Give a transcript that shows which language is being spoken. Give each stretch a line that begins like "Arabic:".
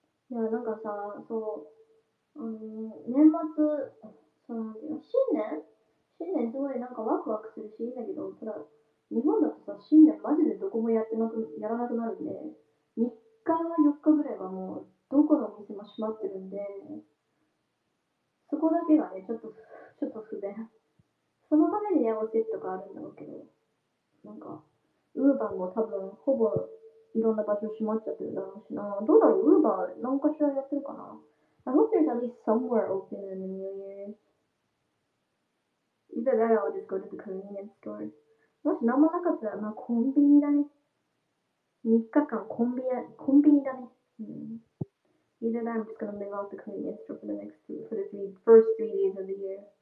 Japanese: Yeah, なんかさ、そう、年末、そうなんていうの、新年すごいなんかワクワクするし、だけど、ただ日本だとさ、新年マジでどこもやらなくなるんで、3日4日ぐらいはもう、どこの店も閉まってるんで、そこだけがね、ちょっと不便。そのためにエアセットがあるんだろうけど、なんか、ウーバーも多分、ほぼ、いろんな場所閉まっちゃってるだろうしな。どうだろう、ウーバー、何かしらやってるかな。
English: I hope there's at least somewhere open in the New Year. Either that or I'll just go to the convenience store.
Japanese: もし何もなかったら、まあ、コンビニだね。 3日間、コンビニだね。
English: Either that, I'm just gonna live off the convenience store for the next two, for the three, first 3 days of the year.